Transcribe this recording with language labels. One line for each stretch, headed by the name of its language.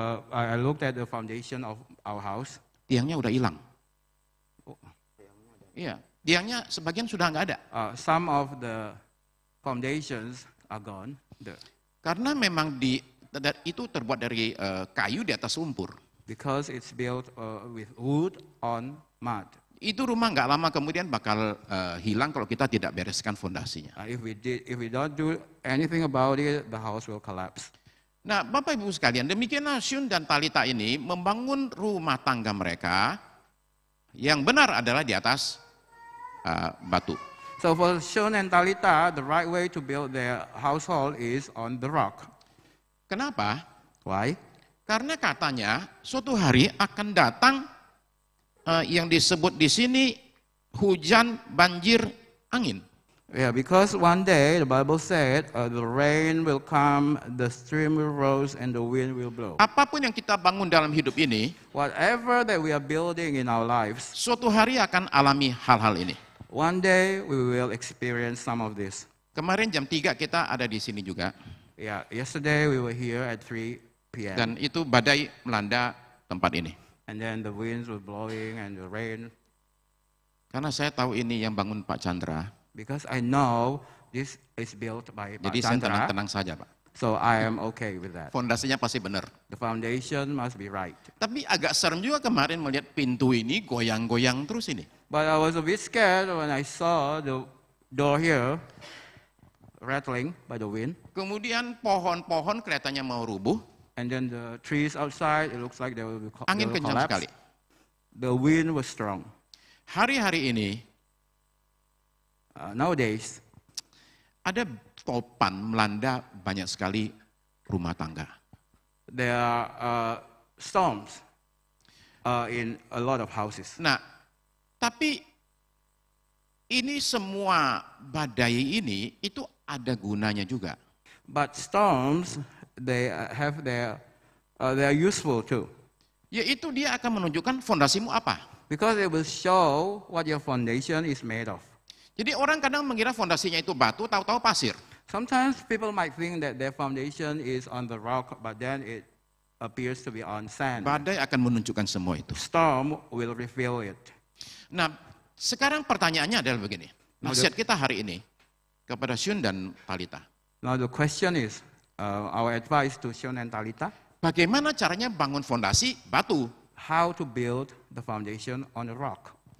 English: I looked at the foundation of our house.
Indonesian: Tiangnya udah hilang. Iya, tiangnya sebagian sudah enggak ada.
English: Some of the foundations are gone.
Indonesian: Karena memang itu terbuat dari kayu di atas lumpur.
English: Because it's built with wood on mud.
Indonesian: Itu rumah enggak lama kemudian bakal hilang kalau kita tidak bereskan fondasinya.
English: If we don't do anything about it, the house will collapse.
Indonesian: Nah, Bapak Ibu sekalian, demikianlah Shun dan Talita ini membangun rumah tangga mereka yang benar adalah di atas batu.
English: So for Shun and Talita, the right way to build their household is on the rock.
Indonesian: Kenapa?
English: Why?
Indonesian: Karena katanya suatu hari akan datang yang disebut di sini hujan, banjir, angin.
English: Yeah, because one day the Bible said the rain will come, the stream will rise and the wind will blow.
Indonesian: Apapun yang kita bangun dalam hidup ini,
English: whatever that we are building in our lives,
Indonesian: suatu hari akan alami hal-hal ini.
English: One day we will experience some of this.
Indonesian: Kemarin jam 3 kita ada di sini juga.
English: Yeah, yesterday we were here at 3 p.m.
Indonesian: Dan itu badai melanda tempat ini.
English: And then the winds were blowing and the rain.
Indonesian: Karena saya tahu ini yang bangun Pak Chandra.
English: Because I know this is built by Pak
Indonesian: Chandra. Jadi saya tenang-tenang saja, Pak.
English: So I am okay with that.
Indonesian: Fondasinya pasti benar.
English: The foundation must be right.
Indonesian: Tapi agak serem juga kemarin melihat pintu ini goyang-goyang terus ini.
English: But I was a bit scared when I saw the door here rattling by the wind.
Indonesian: Kemudian pohon-pohon kelihatannya mau rubuh.
English: And then the trees outside, it looks like they will be collapsed.
Indonesian: Angin kencang sekali.
English: The wind was strong.
Indonesian: Hari-hari ini,
English: nowadays,
Indonesian: ada topan melanda banyak sekali rumah tangga.
English: There are storms in a lot of houses.
Indonesian: Nah, tapi ini semua badai ini itu ada gunanya juga.
English: But storms, they have their they are useful too.
Indonesian: Yaitu dia akan menunjukkan fondasimu apa.
English: Because it will show what your foundation is made of.
Indonesian: Jadi orang kadang mengira fondasinya itu batu, tahu-tahu pasir.
English: Sometimes people might think that their foundation is on the rock, but then it appears to be on sand.
Indonesian: Badai akan menunjukkan semua itu.
English: Storm will reveal it.
Indonesian: Nah, sekarang pertanyaannya adalah begini. Nasihat kita hari ini kepada Shun dan Talita.
English: Now the question is, our advice to Shun and Talita.
Indonesian: Bagaimana caranya bangun fondasi batu?
English: How to build the foundation on a rock?